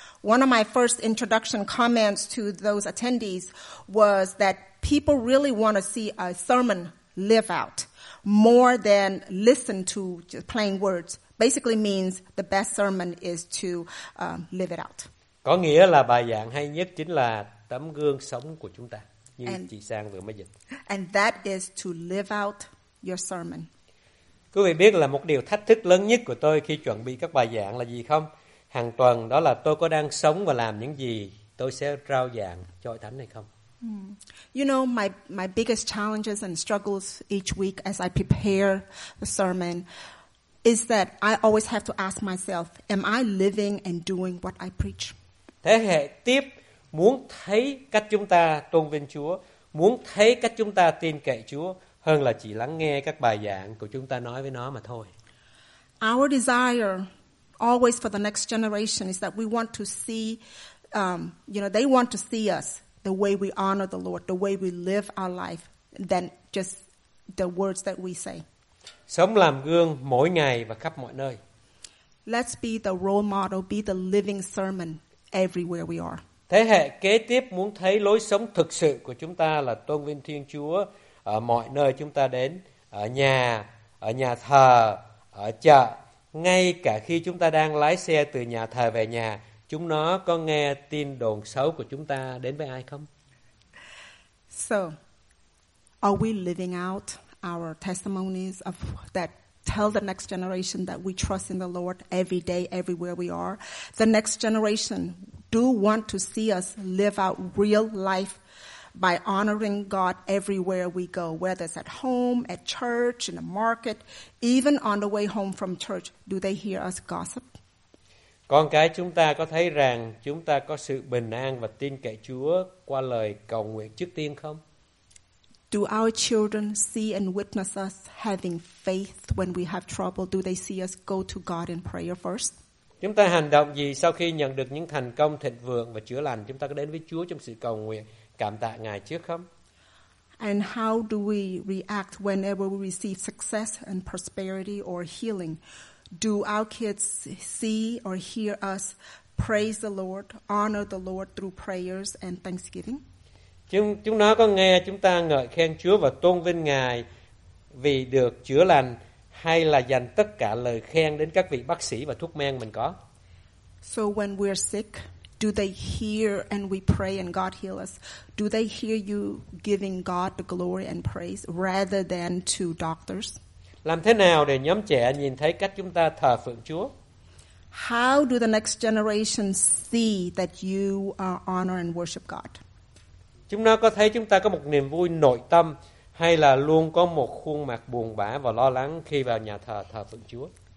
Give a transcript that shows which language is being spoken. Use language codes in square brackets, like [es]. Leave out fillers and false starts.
[en] One of my first introduction comments to those attendees was that people really want to see a sermon live out more than listen to just plain words. Basically means the best sermon is to live it out. [vi] Có nghĩa là bài giảng hay nhất chính là tấm gương sống của chúng ta, như chị Sang vừa mới dịch. [en] And that is to live out your sermon. [vi] Quý vị biết là một điều thách thức lớn nhất của tôi khi chuẩn bị các bài giảng là gì không? Hàng tuần, đó là tôi có đang sống và làm những gì tôi sẽ rao giảng cho hội thánh này không? [en] You know, my biggest challenges and struggles each week as I prepare the sermon is that I always have to ask myself, am I living and doing what I preach? [vi] Thế hệ tiếp muốn thấy cách chúng ta tôn vinh Chúa, muốn thấy cách chúng ta tin cậy Chúa hơn là chỉ lắng nghe các bài giảng của chúng ta nói với nó mà thôi. [en] Our desire always for the next generation is that we want to see, you know, they want to see us the way we honor the Lord, the way we live our life, than just the words that we say. [vi] Sống làm gương mỗi ngày và khắp mọi nơi. [en] Let's be the role model, be the living sermon everywhere we are. [vi] Thế hệ kế tiếp muốn thấy lối sống thực sự của chúng ta là tôn vinh Thiên Chúa ở mọi nơi chúng ta đến, ở nhà thờ, ở chợ. Ngay cả khi chúng ta đang lái xe từ nhà thờ về nhà, chúng nó có nghe tin đồn xấu của chúng ta đến với ai không? [en] So, are we living out our testimonies of that tell the next generation that we trust in the Lord every day, everywhere we are? The next generation do want to see us live out real life by honoring God everywhere we go, whether it's at home, at church, in the market, even on the way home from church, do they hear us gossip? [vi] Con cái chúng ta có thấy rằng chúng ta có sự bình an và tin cậy Chúa qua lời cầu nguyện trước tiên không? [en] Do our children see and witness us having faith when we have trouble? Do they see us go to God in prayer first? [vi] Chúng ta hành động gì sau khi nhận được những thành công thịnh vượng và chữa lành? Chúng ta có đến với Chúa trong sự cầu nguyện, cảm tạ Ngài trước không? [en] And how do we react whenever we receive success and prosperity or healing? Do our kids see or hear us praise the Lord, honor the Lord through prayers and thanksgiving? [vi] Chúng nó có nghe chúng ta ngợi khen Chúa và tôn vinh Ngài vì được chữa lành hay là dành tất cả lời khen đến các vị bác sĩ và thuốc men mình có? [en] So when we're sick, do they hear and we pray and God heal us? Do they hear you giving God the glory and praise rather than to doctors? [vi] Làm thế nào để nhóm trẻ nhìn thấy cách chúng ta thờ phượng Chúa? [en] How do the next generation see that you honor and worship God? [vi] Chúng nó có thấy chúng ta có một niềm vui nội tâm hay là luôn có một khuôn mặt buồn bã và lo lắng khi vào nhà thờ thờ phượng Chúa?